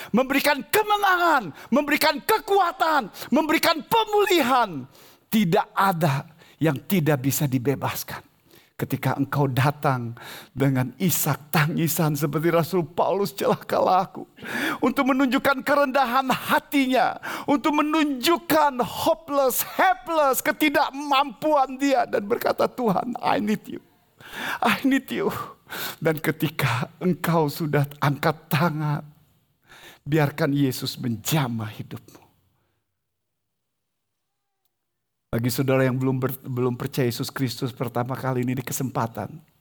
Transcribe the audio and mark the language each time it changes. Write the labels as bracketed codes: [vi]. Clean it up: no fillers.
[id] Memberikan kemenangan. Memberikan kekuatan. Memberikan pemulihan. Tidak ada yang tidak bisa dibebaskan. Ketika engkau datang dengan isak tangisan seperti Rasul Paulus, celakalah aku. Untuk menunjukkan kerendahan hatinya. Untuk menunjukkan hopeless, helpless, ketidakmampuan dia. Dan berkata, Tuhan, [en] I need you. I need you. [id] Dan ketika engkau sudah angkat tangan, biarkan Yesus menjamah hidupmu. Bagi saudara yang belum percaya Yesus Kristus pertama kali ini di kesempatan.